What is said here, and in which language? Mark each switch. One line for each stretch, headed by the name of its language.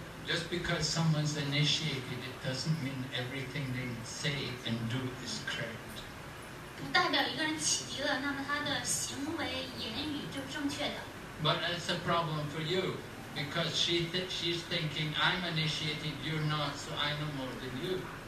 English: Just because someone's initiated, it doesn't mean everything they say and do is correct.
Chinese: 不代表一个人起迪了，那么他的行为、言语就是正确的。But
English: that's a problem for you, because she's thinking I'm initiated, you're not, so I know more than you.